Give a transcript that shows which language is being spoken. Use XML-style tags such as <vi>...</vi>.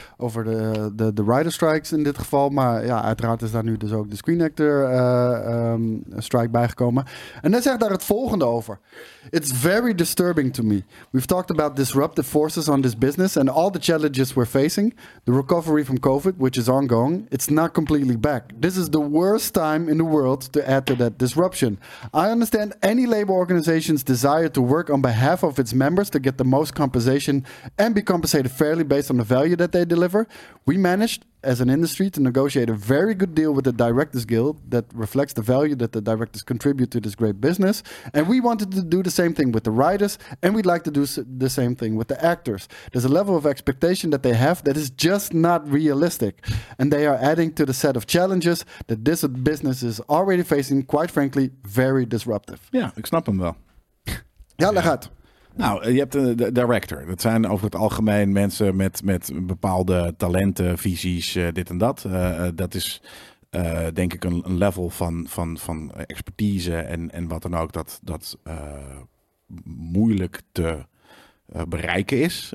<nl>Over de rider strikes in dit geval. Maar ja, uiteraard is daar nu dus ook de Screen Actor strike bijgekomen. En hij zegt daar het volgende over.</nl> <en>It's very disturbing to me. We've talked about disruptive forces on this business and all the challenges we're facing. The recovery from COVID, which is ongoing, it's not completely back. This is the worst time in the world to add to that disruption. I understand any labor organization's desire to work on behalf of its members to get the most compensation and be compensated fairly based on the value that they deliver. We managed, as an industry, to negotiate a very good deal with the Directors Guild that reflects the value that the directors contribute to this great business. And we wanted to do the same thing with the writers, and we'd like to do the same thing with the actors. There's a level of expectation that they have that is just not realistic. And they are adding to the set of challenges that this business is already facing, quite frankly, very disruptive.</en> <nl>Yeah, ik snap hem wel. Ja, leg uit. Nou, je hebt een director. Dat zijn over het algemeen mensen met bepaalde talenten, visies, dit en dat. Dat is denk ik een level van expertise en wat dan ook dat moeilijk te bereiken is.</nl>